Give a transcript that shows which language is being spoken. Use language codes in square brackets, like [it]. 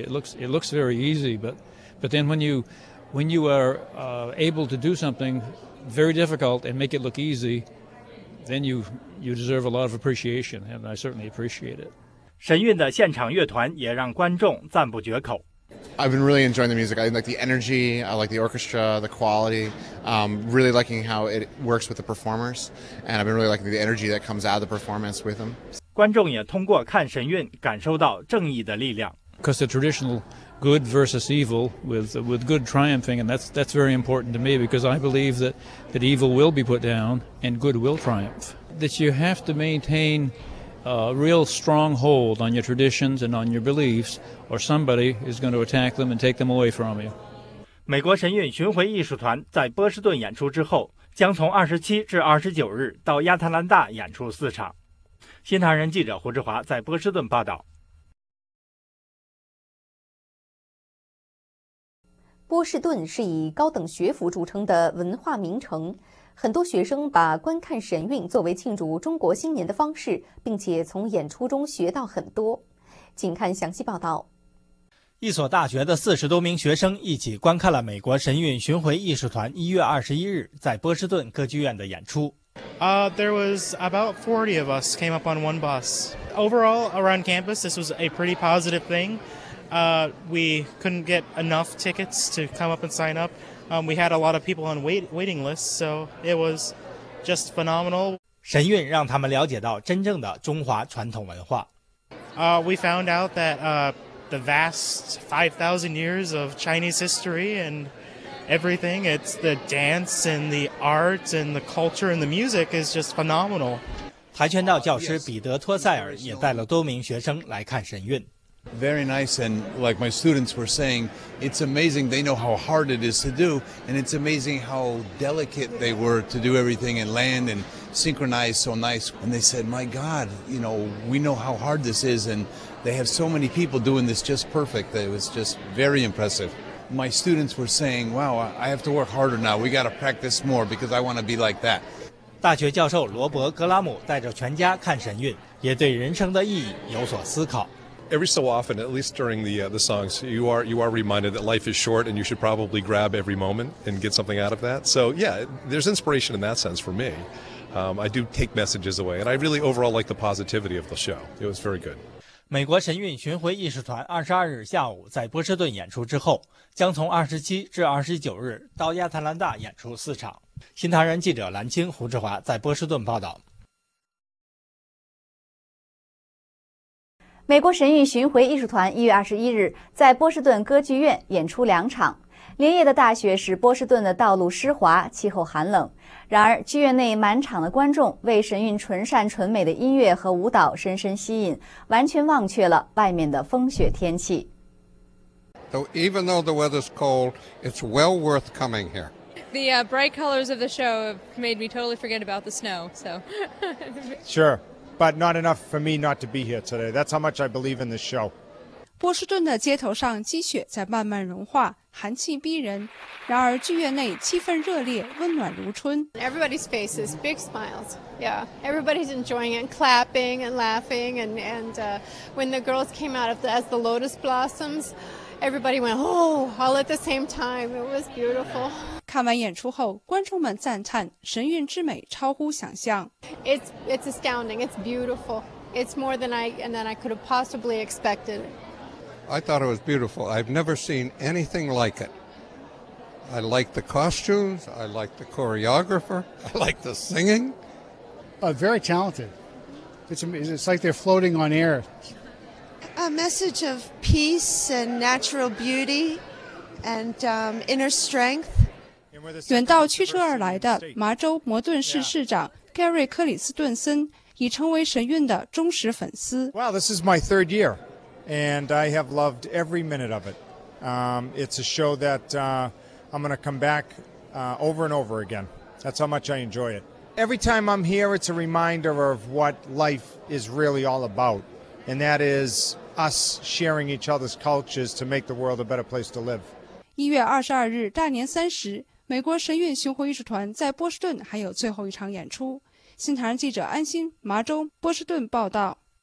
[en] It looks very easy, but then when you are able to do something very difficult and make it look easy, then you deserve a lot of appreciation, and I certainly appreciate it. [zh] 神韵的现场乐团也让观众赞不绝口。 [en] I've been really enjoying the music. I like the energy, I like the orchestra, the quality, really liking how it works with the performers, and I've been really liking the energy that comes out of the performance with them. [zh] 观众也通过看神韵感受到正义的力量。 [en] because the traditional good versus evil with good triumphing, and that's very important to me because I believe that evil will be put down and good will triumph. That you have to maintain a real strong hold on your traditions and on your beliefs, or somebody is going to attack them and take them away from you. [zh] 美国神韵巡回艺术团在波士顿演出之后，将从27至29日到亚特兰大演出四场。新唐人记者胡志华在波士顿报道。波士顿是以高等学府著称的文化名城，很多学生把观看神韵作为庆祝中国新年的方式，并且从演出中学到很多。请看详细报道。一所大学的40多名学生一起观看了美国神韵巡回艺术团1月21日在波士顿歌剧院的演出。 [en] There was about 40 of us came up on one bus. Overall, around campus, this was a pretty positive thing. We couldn't get enough tickets to come up and sign up. We had a lot of people on waiting lists, so it was just phenomenal. [zh] 神韵让他们了解到真正的中华传统文化。 [en] We found out that the vast 5,000 years of Chinese history and everything, it's the dance and the art and the culture and the music is just phenomenal. [zh] 跆拳道教师彼得·托塞尔也带了多名学生来看神韵。 [en] Very nice, and like my students were saying, it's amazing they know how hard it is to do, and it's amazing how delicate they were to do everything and land and synchronize so nice. And they said, my God, you know, we know how hard this is, and they have so many people doing this just perfect that it was just very impressive. My students were saying, wow, I have to work harder now. We got to practice more because I want to be like that. [zh] 大学教授罗伯·格拉姆带着全家看神韵，也对人生的意义有所思考。 [en] Every so often, at least during the songs, you are reminded that life is short and you should probably grab every moment and get something out of that. So yeah, there's inspiration in that sense for me. I do take messages away, and I really overall like the positivity of the show. It was very good. [zh] 美国神韵巡回艺术团22日下午在波士顿演出之后，将从27至29日到亚特兰大演出四场。新唐人记者蓝青、胡志华在波士顿报道。美国神韵巡回艺术团1月21日在波士顿歌剧院演出两场。连夜的大雪使波士顿的道路湿滑，气候寒冷。然而剧院内满场的观众为神韵纯善纯美的音乐和舞蹈深深吸引，完全忘却了外面的风雪天气。 [en] So even though the weather's cold, it's well worth coming here. The bright colors of the show have made me totally forget about the snow, so. Sure, but not enough for me not to be here today. That's how much I believe in this show. [zh] 波士顿的街头上积雪在慢慢融化，寒气逼人，然而剧院内气氛热烈，温暖如春。 [en] Everybody's faces, big smiles. Yeah, everybody's enjoying it, clapping and laughing. And when the girls came out as the lotus blossoms, everybody went, oh, all at the same time. It was beautiful. [zh] 看完演出后，观众们赞叹神韵之美超乎想象。 [en] It's astounding. It's beautiful. It's more than I could have possibly expected. I thought it was beautiful. I've never seen anything like it. I like the costumes. I like the choreographer. I like the singing. Very talented. It's like they're floating on air. A message of peace and natural beauty and inner strength. [zh] 远道驱车而来的麻州摩顿市市长盖瑞·克里斯顿森已成为神韵的忠实粉丝。 [en] Wow, this is my third year. And I have loved every minute of it. It's a show that I'm going to come back over and over again. That's how much I enjoy it. Every time I'm here, it's a reminder of what life is really all about. And that is us sharing each other's cultures to make the world a better place to live. [zh] 1月22日，大年三十，美国神韵巡回艺术团在波士顿还有最后一场演出。新唐人记者安心，麻州，波士顿报道。